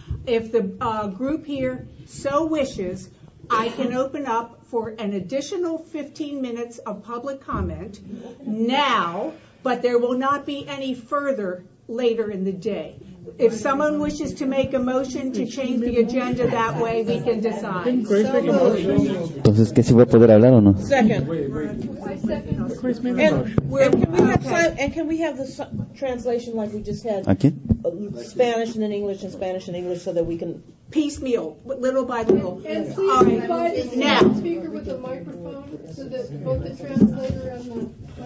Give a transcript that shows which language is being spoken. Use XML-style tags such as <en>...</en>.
<en>If the group here so wishes, I can open up for an additional 15 minutes of public comment now, but there will not be any further later in the day. If someone wishes to make a motion to change the agenda that way, we can decide.</en> <es>Entonces, ¿qué, si voy a poder hablar o no?</es> <en>Second. And can we have the translation like we just had?</en> <es>Aquí.</es> <en>Spanish and then English and Spanish and English so that we can... Piecemeal, little by little. And please, invite the speaker with the microphone so that both the translator and the...</en>